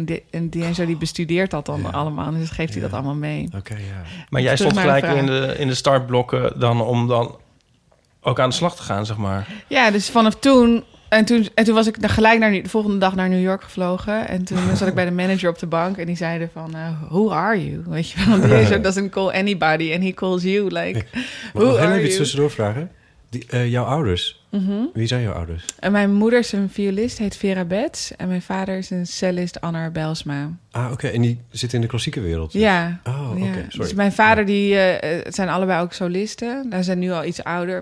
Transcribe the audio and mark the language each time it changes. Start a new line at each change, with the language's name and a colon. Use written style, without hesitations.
Dutch: En D'Angelo die bestudeert dat dan allemaal. Dus geeft hij dat allemaal mee. Okay, Maar jij stond gelijk in de startblokken dan om dan ook aan de slag te gaan, zeg maar. Ja, dus vanaf toen... En toen was ik gelijk de volgende dag naar New York gevlogen. En toen zat ik bij de manager op de bank. En die zeiden van,
English: who are you?
Dutch: Weet je wel,
English: D'Angelo doesn't call anybody and he calls you. Like, who are you?
Dutch: Mag ik iets tussendoor vragen? Jouw ouders... Mm-hmm. Wie zijn jouw ouders? En mijn moeder is een violist, heet Vera Betts. En mijn vader is een cellist, Anna Belsma. Ah, oké. En die zit in de klassieke wereld? Dus. Ja. Oh, oké. Sorry. Dus mijn vader, die zijn allebei ook solisten. Nou, ze zijn nu al iets ouder.